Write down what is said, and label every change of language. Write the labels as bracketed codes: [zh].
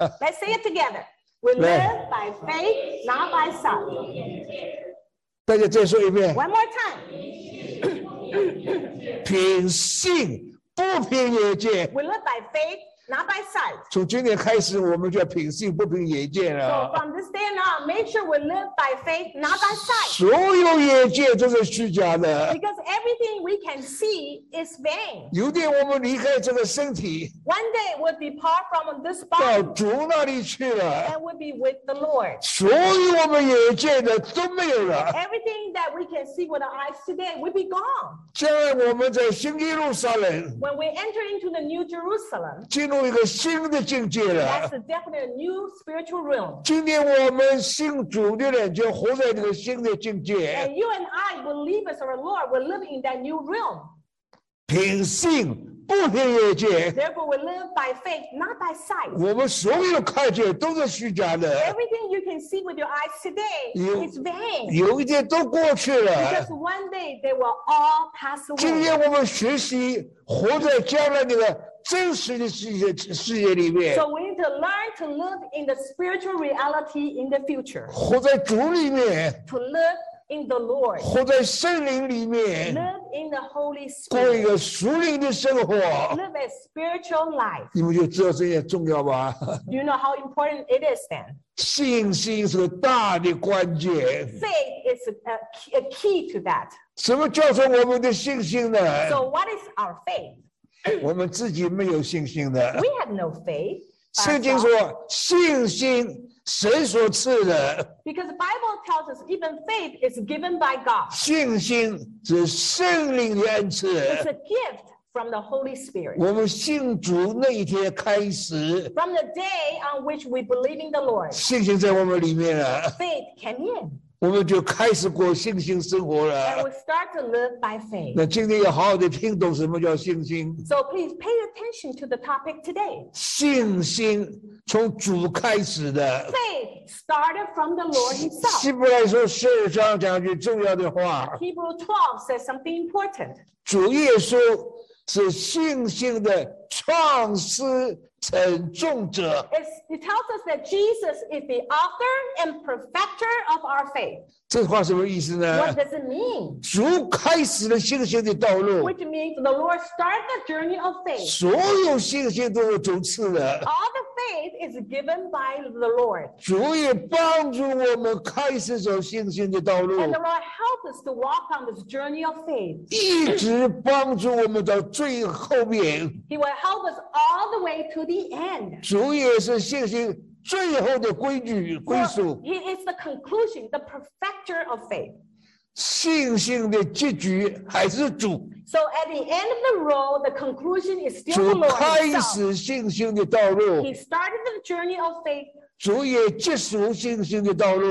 [en] Let's say it together. We live by faith, not by sight. [zh] 大家再说一遍。 [en] One more time. [zh] 凭信，不凭眼见。 [en] We live by faith, not by sight. [zh] 从今天开始，我们就要凭信，不凭眼见了。 [en] So from this day on, make sure we live by faith, not by sight. [zh] 所有眼见都是虚假的。 [en] Because everything we can see is vain. [zh] 有点我们离开这个身体。 [en] One day we'll depart from this body. [zh] 到主那里去了。 [en] And we'll be with the Lord. [zh] 所有我们眼见的都没有了。 [en] Everything that we can see with our eyes today, we'll be gone. [zh] 将来我们在新耶路撒冷。 [en] When we enter into the new Jerusalem. [zh] 进入一个新的境界了。 [en] That's a definite new spiritual realm. [zh] 今天我们信主的人就活在这个新的境界。 [en] And you and I, believers of our Lord, we're living in that new realm. [zh] 凭信。不凭眼见。 [en] Therefore, we live by faith, not by sight. [zh] 我们所有看见都是虚假的。 [en] Everything you can see with your eyes today is vain. [zh] 有一天都过去了。 [en] Because one day they will all pass away. [zh] 今天我们学习活在将来那个真实的世界里面。 [en] So we need to learn to live in the spiritual reality in the future. [zh] 活在主里面。 [en] To live. In the Lord, [zh] 活在圣灵里面 [en] live in the Holy Spirit, [zh] 过一个属灵的生活 [en] live a spiritual life. [zh] 你们就知道这些重要吧 [en] Do you know how important it is then? [zh] 信心是大的关键 [en] Faith is a key to that. [zh] 什么叫做我们的信心呢 [en] So what is our faith? [zh] 我们自己没有信心的 [en] We have no faith. [zh] 圣经说信心神所赐的 [en] Because the Bible tells us even faith is given by God. [zh] 信心是圣灵的恩赐 [en] It's a gift from the Holy Spirit. [zh] 我们信主那一天开始 [en] From the day on which we believe in the Lord. [zh] 信心在我们里面了 [en] Faith came in. [zh] 我们就开始过信心生活了 [en] And we start to live by faith. [zh] 那今天要好好地听懂什么叫信心 [en] So please pay attention to the topic today. [zh] 信心从主开始的 [en] Faith started from the Lord himself [zh] 希伯来书十二章讲句重要的话 [en] Hebrew 12 says something important [zh] 主耶稣是信心的创始成重者 [en] It tells us that Jesus is the author and perfecter of our faith [zh] 这话什么意思呢 [en] What does it mean? [zh] 主开始了信心的道路 [en] Which means the Lord started the journey of faith [zh] 所有信心都是主赐的 [en] All the faith is given by the Lord [zh] 主也帮助我们开始走信心的道路 [en] And the Lord helped us to walk on this journey of faith [zh] 一直帮助我们到最后面 [en] He will help us all the way to the end [zh] 主也是信心最后的归属 [en] He is the conclusion, the perfecter of faith [zh] 信心的结局还是主。 [en] So at the end of the road, the conclusion is still the Lord. [zh] 主开始信心的道路。 [en] He started the journey of faith. [zh] 主也结束信心的道路。